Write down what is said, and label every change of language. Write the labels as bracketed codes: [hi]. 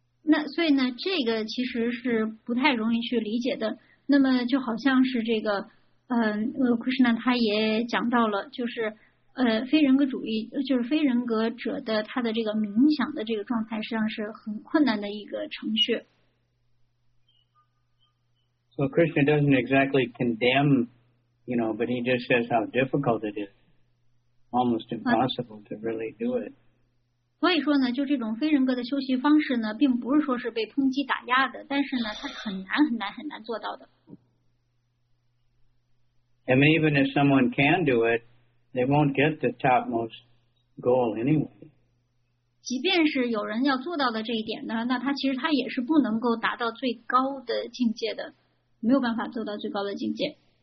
[zh] 那所以呢，这个其实是不太容易去理解的。那么就好像是这个，Krishna 他也讲到了，就是非人格主义，就是非人格者的他的这个冥想的这个状态，实际上是很困难的一个程序。 [en] Well, Krishna doesn't exactly condemn, you know, but he just says how difficult it is. Almost impossible to really do it. [zh] 所以说呢，就这种非人格的修习方式呢，并不是说是被抨击打压的，但是呢，它很难很难很难做到的。 [en] And even if someone can do it, they won't get the topmost goal anyway. [zh] 即便是有人要做到的这一点呢，那他其实他也是不能够达到最高的境界的，没有办法做到最高的境界。